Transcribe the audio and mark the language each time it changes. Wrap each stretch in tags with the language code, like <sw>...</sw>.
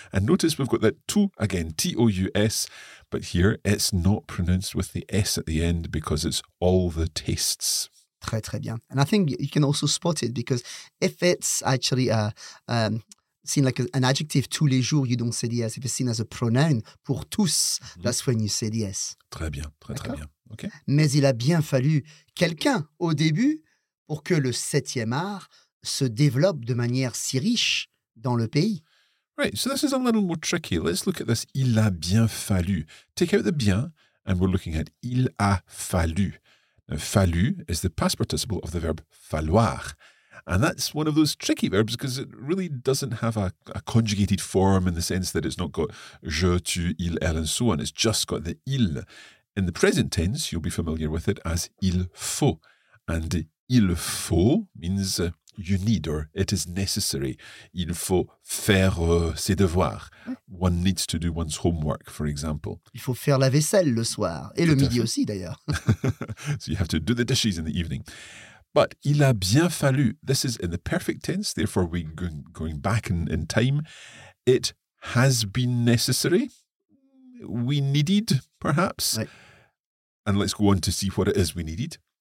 <en>And notice we've got that tout again, T-O-U-S, but here it's not pronounced with the S at the end because it's all the tastes.</en> <fr>Très, très bien.</fr> <en>And I think you can also spot it because if it's actually seen like an adjective,</en> <fr>tous les jours,</fr> <en>you don't say the S. If it's seen as a pronoun,</en> <fr>pour tous,</fr> <en>mm-hmm. That's when you say the S.</en> <fr>Très bien, très, d'accord? Très bien. Okay. Mais il a bien fallu quelqu'un au début pour que le septième art se développe de manière si riche dans le pays.</fr> <en>Right, so this is a little more tricky. Let's look at this.</en> <fr>Il a bien fallu.</fr> <en>Take out the bien, and we're looking at</en> <fr>il a fallu.</fr> <en>Now, fallu is the past participle of the verb falloir. And that's one of those tricky verbs because it really doesn't have a conjugated form in the sense that it's not got</en> <fr>je, tu, il, elle,</fr> <en>and so on. It's just got the il. In the present tense, you'll be familiar with it as</en> <fr>il faut.</fr> <en>And</en> <fr>il faut</fr> <en>means you need, or it is necessary.</en> <fr>Il faut faire ses devoirs. Oui.</fr> <en>One needs to do one's homework, for example.</en> <fr>Il faut faire la vaisselle le soir, et tout le midi aussi, d'ailleurs.</fr> <en>So you have to do the dishes in the evening. But</en> <fr>il a bien fallu.</fr> <en>This is in the perfect tense, therefore we're going back in time. It has been necessary. We needed, perhaps.</en> <fr>Oui.</fr> <en>And let's go on to see what it is we needed.</en>